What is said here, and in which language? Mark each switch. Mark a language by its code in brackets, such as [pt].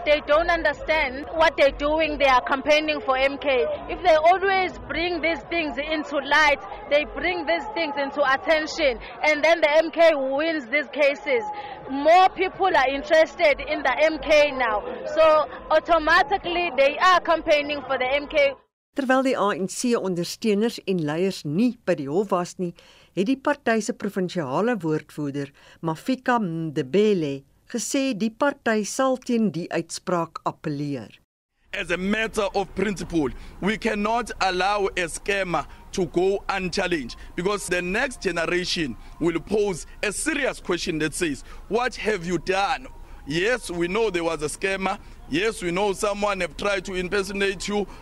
[en] They don't understand what they're doing. They are campaigning for MK. If they always bring these things into light, they bring these things into attention, and then the MK wins these cases. More people are interested in the MK now. So automatically they are campaigning for the MK. [af] Terwyl die ANC-ondersteuners en leiers nie by die hof was nie, het die party se provinsiale woordvoerder, Mafika Mdebele, gesê die party sal teen die uitspraak appeleer. [en] As a matter of principle, we cannot allow a scammer to go unchallenged because the next generation will pose a serious question that says, what have you done? Yes, we know there was a scammer. Yes, we know someone have tried to impersonate you.